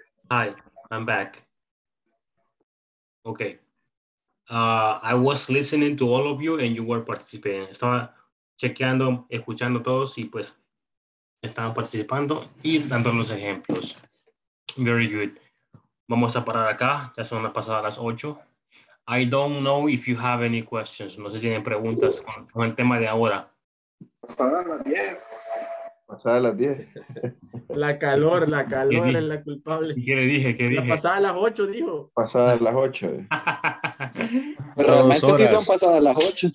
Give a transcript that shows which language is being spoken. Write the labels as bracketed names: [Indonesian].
[English] Hi, I'm back. Okay. I was listening to all of you and you were participating. [Spanish] Estaba chequeando, escuchando todos y pues estaban participando y dando los ejemplos. [English] Very good. [Spanish] Vamos a parar acá. Ya son las pasadas las 8. [English] I don't know if you have any questions. [Spanish] No sé si tienen preguntas con el tema de ahora. Pasada las 10. La calor es la culpable. ¿Qué le dije? ¿Qué dije? La pasada a las 8, dijo. Pasada a las 8. Realmente horas. Sí son pasadas las 8.